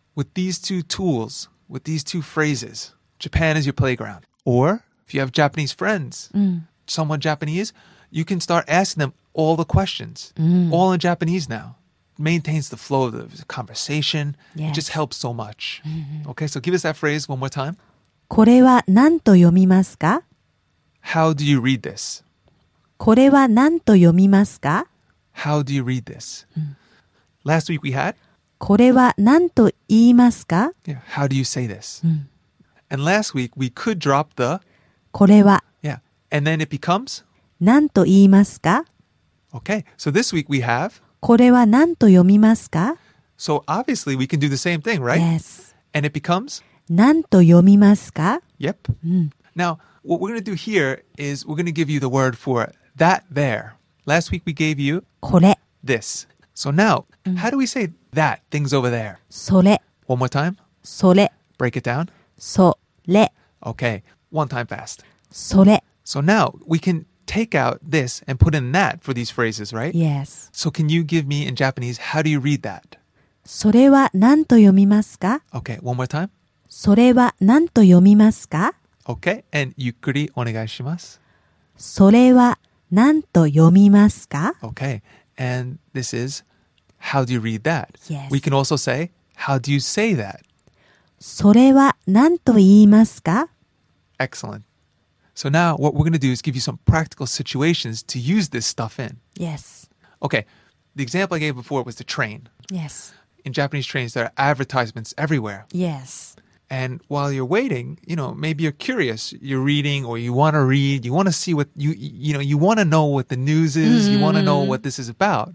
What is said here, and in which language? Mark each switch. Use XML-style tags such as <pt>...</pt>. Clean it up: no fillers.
<en>With these two tools, with these two phrases, Japan is your playground. Or if you have Japanese friends, someone Japanese, you can start asking them all the questions, all in Japanese now. Maintains the flow of the conversation. Yes. It just helps so much. Mm-hmm. Okay, so give us that phrase one more time.</en> <ja>これは何と読みますか?</ja> <en>How do you read this?</en> <ja>これは何と読みますか?</ja> <en>How do you read this? Mm. Last week we had?</en> <ja>これは何と言いますか?</ja> <en>Yeah, how do you say this? And last week we could drop the</en> <ja>これは</ja> <en>yeah, and then it becomes</en> <ja>何と言いますか?</ja> <en>Okay, so this week we have</en> <ja>これは何と読みますか?</ja> <en>So obviously we can do the same thing, right? Yes. And it becomes</en> <ja>何と読みますか?</ja> <en>Yep. Now, what we're going to do here is we're going to give you the word for that there. Last week we gave you</en> <ja>これ</ja> <en>this. So now, how do we say that, things over there?</en> <ja>それ</ja> <en>One more time.</en> <ja>それ</ja> <en>Break it down.</en> <ja>それ</ja> <en>Okay, one time fast.</en> <ja>それ</ja> <en>So now, we can take out this and put in that for these phrases, right? Yes. So can you give me in Japanese, how do you read that?</en> <ja>それは何と読みますか?</ja> <en>Okay, one more time.</en> <ja>それは何と読みますか?</ja> <en>Okay, and</en> <ja>ゆっくり お願いします. それは何と読みますか?</ja> <en>Okay, and this is, how do you read that? Yes. We can also say, how do you say that?</en> <ja>それは何と言いますか?</ja> <en>Excellent. So now what we're going to do is give you some practical situations to use this stuff in. Yes. Okay, the example I gave before was the train. Yes. In Japanese trains, there are advertisements everywhere. Yes. And while you're waiting, you know, maybe you're curious, you're reading or you want to read, you want to see what, you know, you want to know what the news is, you want to know what this is about.</en>